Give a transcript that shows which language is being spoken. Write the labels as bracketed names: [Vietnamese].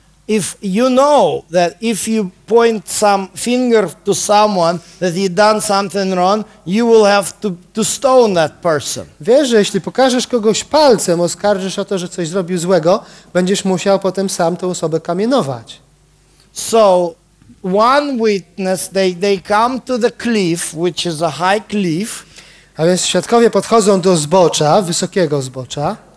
[English] If you know that if you point some finger to someone that he done something wrong, you will have to stone that person. [Polish] Wiesz, że jeśli pokażesz kogoś palcem, oskarżysz o to, że coś zrobił złego, będziesz musiał potem sam tę osobę kamienować. [English] So one witness, they come to the cliff, which is a high cliff. [Polish] A więc świadkowie podchodzą do zbocza, wysokiego zbocza.